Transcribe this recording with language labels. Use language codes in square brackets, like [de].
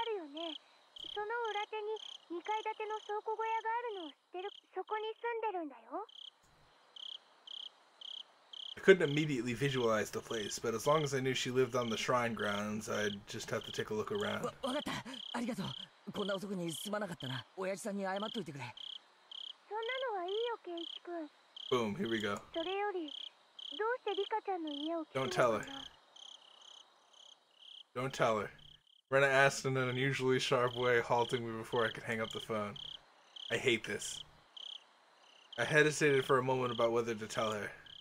[ja] その裏手に2階建ての倉庫小屋があるのを知ってる。そこに住んでるんだよ。 [en] I couldn't immediately visualize the place, but as long as I knew she lived on the shrine grounds, I'd just have to take a look around. [ja] わかった。ありがとう。こんな遅くにすまなかったな。親父さんに謝っといてくれ。そんなのはいいよ、ケイチ君。 [en] Boom, here we go. [ja] それより、どうしてリカちゃんの家を聞くの？ [en] Don't tell her. Don't tell her. Rena asked in an unusually sharp way, halting me before I could hang up the phone. I hate this. I hesitated for a moment about whether to tell her.